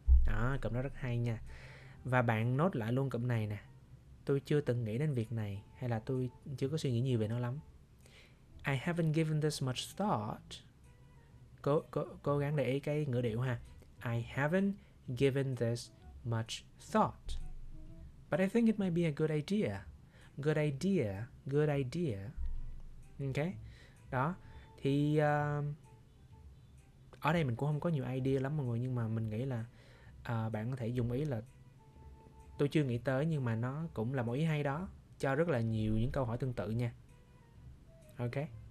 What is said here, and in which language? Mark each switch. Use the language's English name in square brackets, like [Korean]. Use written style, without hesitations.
[Vietnamese] Đó, cụm đó rất hay nha. Và bạn nốt lại luôn cụm này nè. Tôi chưa từng nghĩ đến việc này, hay là tôi chưa có suy nghĩ nhiều về nó lắm. [English] I haven't given this much thought. [Vietnamese] Cố gắng để ý cái ngữ điệu ha. [English] I haven't given this much thought. But I think it might be a good idea. Good idea, good idea. Ok. [Vietnamese] Đó. Thì ở đây mình cũng không có nhiều idea lắm mọi người, nhưng mà mình nghĩ là bạn có thể dùng ý là tôi chưa nghĩ tới, nhưng mà nó cũng là một ý hay đó. cho rất là nhiều những câu hỏi tương tự nha. Ok.